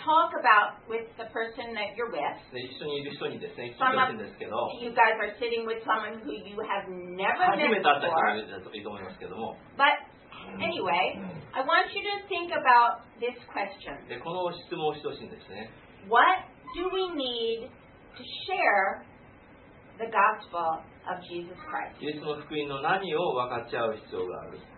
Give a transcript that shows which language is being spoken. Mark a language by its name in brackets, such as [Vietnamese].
[English] talk about with the person that you're with. [Japanese] 一緒にいる人にですね、聞いてほしいんですけど。 [English] You guys are sitting with someone who you have never met before. [Japanese] 初めて会った人だといいと思いますけども。 [English] But anyway, I want you to think about this question. [Japanese] で、この質問をしてほしいんですね。 [English] What do we need to share the gospel of Jesus Christ? [Japanese] イエスの福音の何を分かち合う必要がある。